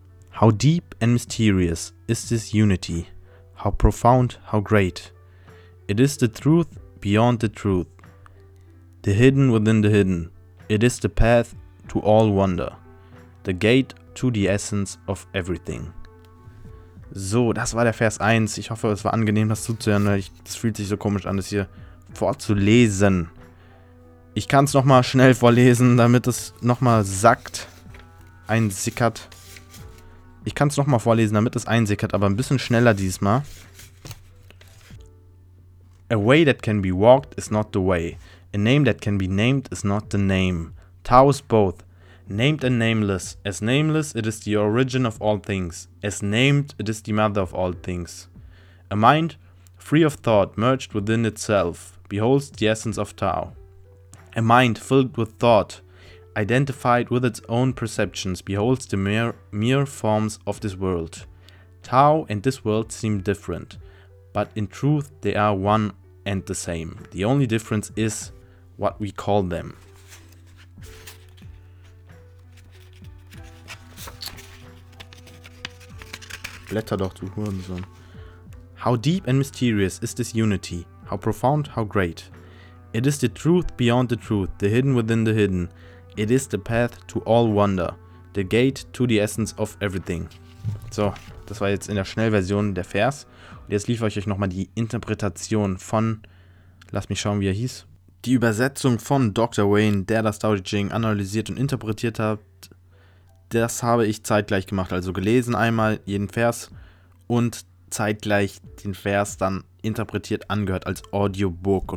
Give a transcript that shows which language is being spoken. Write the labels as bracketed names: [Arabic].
[English] How deep and mysterious is this unity? How profound, how great. It is the truth beyond the truth, the hidden within the hidden. It is the path to all wonder, the gate to the essence of everything. [German] So, das war der Vers 1. Ich hoffe, es war angenehm, das zuzuhören, weil es fühlt sich so komisch an, das hier vorzulesen. Ich kann es nochmal schnell vorlesen, damit es nochmal sackt, einsickert. Ich kann es nochmal vorlesen, damit es einsickert, aber ein bisschen schneller diesmal. [English] A way that can be walked is not the way. A name that can be named is not the name. Tao is both, named and nameless. As nameless, it is the origin of all things. As named, it is the mother of all things. A mind, free of thought, merged within itself, beholds the essence of Tao. A mind filled with thought, identified with its own perceptions, beholds the mere forms of this world. Tao and this world seem different, but in truth they are one and the same. The only difference is what we call them. [German] Blätter doch, du Hurensohn. [English] How deep and mysterious is this unity? How profound, how great. It is the truth beyond the truth, the hidden within the hidden. It is the path to all wonder, the gate to the essence of everything. [German] So, das war jetzt in der Schnellversion der Vers. Und jetzt liefere ich euch nochmal die Interpretation von, lass mich schauen, wie er hieß. Die Übersetzung von Dr. Wayne, der das Tao Te Ching analysiert und interpretiert hat, das habe ich zeitgleich gemacht. Also gelesen einmal jeden Vers und zeitgleich den Vers dann interpretiert angehört als Audiobook.